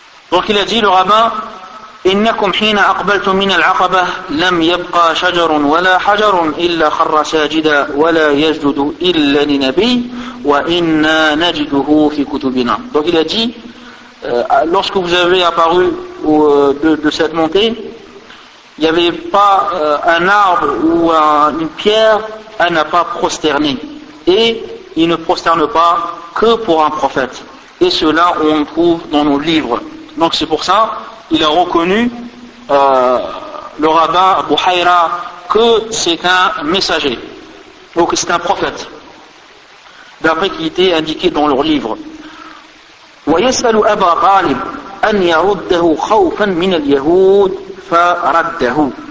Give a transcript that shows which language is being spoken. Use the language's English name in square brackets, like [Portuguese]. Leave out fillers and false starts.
[French] Donc il a dit, le rabbin, [Arabic] إِنَّكُمْ حِينَ أَقْبَلْتُمْ مِنَ الْعَقَبَةِ لَمْ يَبْقَى شَجَرٌ وَلَا حَجَرٌ إِلَّا خَرَّ سَاجِدًا وَلَا يَجْدُدُ إِلَّا لِنَبِيٍّ وَإِنَّا نَجِدُهُ فِي كُتُبِنَا. [French] Donc il a dit, lorsque vous avez apparu de cette montée, il n'y avait pas un arbre ou une pierre, elle n'a pas prosterné. Et il ne prosterne pas que pour un prophète. et cela on le trouve dans nos livres. Donc c'est pour ça qu'il a reconnu le rabbin Abu Hayra que c'est un messager ou que c'est un prophète d'après qu'il était indiqué dans leur livre. [Arabic] ويسأل أبا غالب أن يرده خوفا من اليهود فرده.